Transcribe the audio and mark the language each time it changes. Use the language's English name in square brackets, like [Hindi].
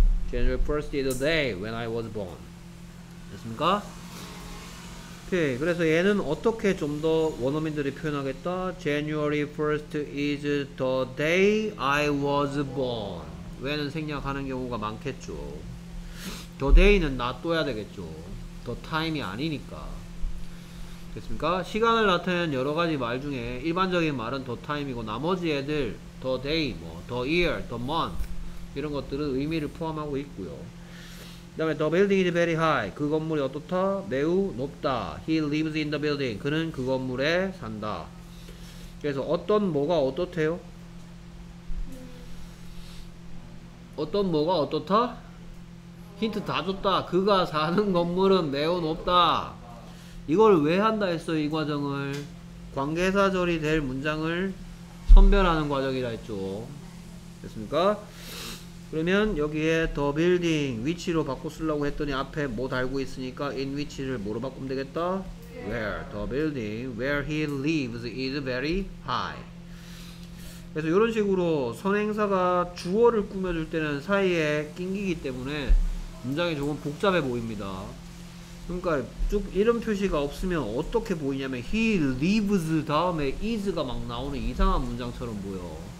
[English] January 1st is the day when I was born. [Korean] 됐습니까? 오케이. 그래서 얘는 어떻게 좀 더 원어민들이 표현하겠다? [English] January 1st is the day I was born. [Korean] 왜는 생략하는 경우가 많겠죠. The day는 놔둬야 되겠죠. The time이 아니니까. 됐습니까? 시간을 나타내는 여러 가지 말 중에 일반적인 말은 the time이고 나머지 애들 the day, 뭐, the year, the month 이런 것들은 의미를 포함하고 있고요. 그 다음에 the building is very high. 그 건물이 어떻다? 매우 높다. [English] He lives in the building. 그는 그 건물에 산다. [Korean] 그래서 어떤 뭐가 어떻대요? 어떤 뭐가 어떻다? 힌트 다 줬다. 그가 사는 건물은 매우 높다. 이걸 왜 한다 했어? 이 과정을 관계사절이 될 문장을 선별하는 과정이라 했죠. 됐습니까? 그러면 여기에 the building, which로 바꿔 쓰려고 했더니 앞에 뭐 달고 있으니까 in which를 뭐로 바꾸면 되겠다? [English] Where, the building, where he lives is very high. [Korean] 그래서 이런 식으로 선행사가 주어를 꾸며줄 때는 사이에 낑기기 때문에 문장이 조금 복잡해 보입니다. 그러니까 쭉 이름 표시가 없으면 어떻게 보이냐면 he lives 다음에 is가 막 나오는 이상한 문장처럼 보여.